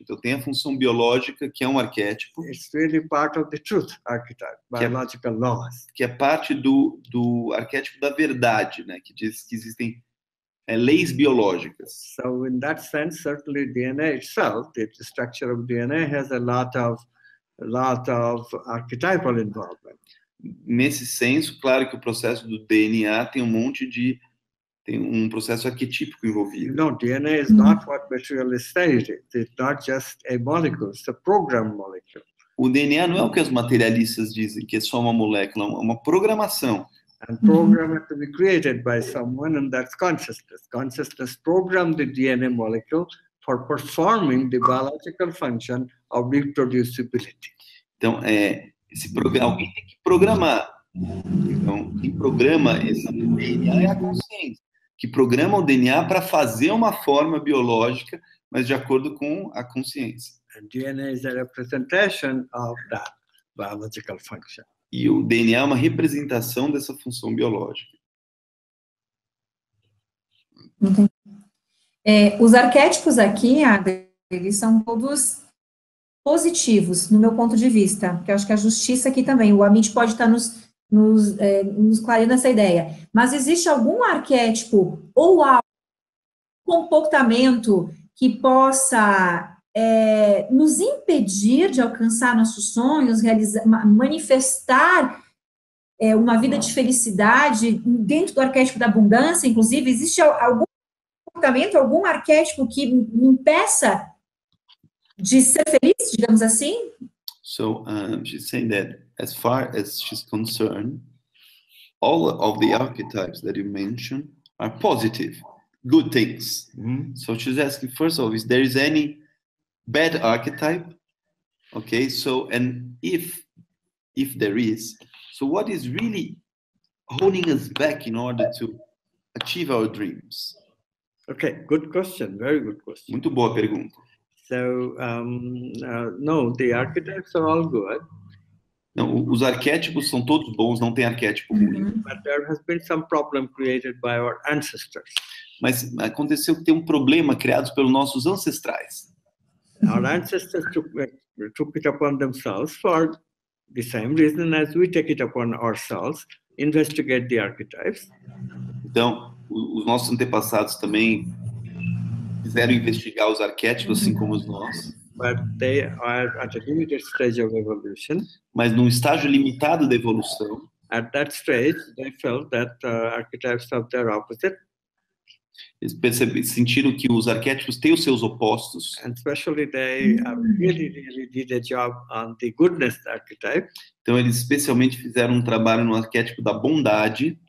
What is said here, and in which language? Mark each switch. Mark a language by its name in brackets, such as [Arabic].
[Portuguese] Então tem a função biológica que é um arquétipo. [English] It's really part of the truth archetype, biological laws. [Portuguese] Que é parte do arquétipo da verdade, né? Que diz que existem leis biológicas. [English] So in that sense, certainly DNA itself, the structure of DNA has a lot of archetypal involvement. [Portuguese] Nesse senso, claro que o processo do DNA tem um processo arquetípico envolvido. [English] No, DNA is not what materialists say it is. It's not just a molecule, it's a programmed molecule. [Portuguese] O DNA não é o que os materialistas dizem, que é só uma molécula, é uma programação. [English] And program it to be created by someone, and that's consciousness. Consciousness programmed the DNA molecule for performing the biological function of reproducibility. [Portuguese] Então, alguém tem que programar. Então, quem programa esse DNA é a consciência, que programa o DNA para fazer uma forma biológica, mas de acordo com a consciência. [English] And DNA is a representation of that biological function. [Portuguese] E o DNA é uma representação dessa função biológica. Os arquétipos aqui, eles são todos positivos, no meu ponto de vista. Porque eu acho que a justiça aqui também, o Amit pode estar nos clareando essa ideia. Mas existe algum arquétipo ou algum comportamento que possa... nos impedir de alcançar nossos sonhos, manifestar uma vida de felicidade dentro do arquétipo da abundância, inclusive, existe algum comportamento, algum arquétipo que impeça de ser feliz, digamos assim? [English] So, she's saying that, as far as she's concerned, all of the archetypes that you mentioned are positive. good things. Mm-hmm. So she's asking, first of all, is there is any bad archetype? Okay, so, and if there is, so what is really holding us back in order to achieve our dreams? Okay, good question, very good question. [Portuguese] Muito boa pergunta. [English] So, no, the archetypes are all good. [Portuguese] Não, os arquétipos são todos bons, não tem arquétipo ruim. [English] But there has been some problem created by our ancestors. [Portuguese] Mas aconteceu que tem um problema criado pelos nossos ancestrais. [English] Our ancestors took it upon themselves for the same reason as we take it upon ourselves, investigate the archetypes. [Portuguese] Então, os nossos antepassados também quiseram investigar os arquétipos, assim como os nós. [English] But they are at a limited stage of evolution. [Portuguese] Mas num estágio limitado da evolução. [English] At that stage, they felt that archetypes of their opposite. [Portuguese] Eles sentiram que os arquétipos têm os seus opostos. [English] And especially they really, really did a job on the goodness archetype. [Portuguese] Então eles especialmente fizeram um trabalho no arquétipo da bondade.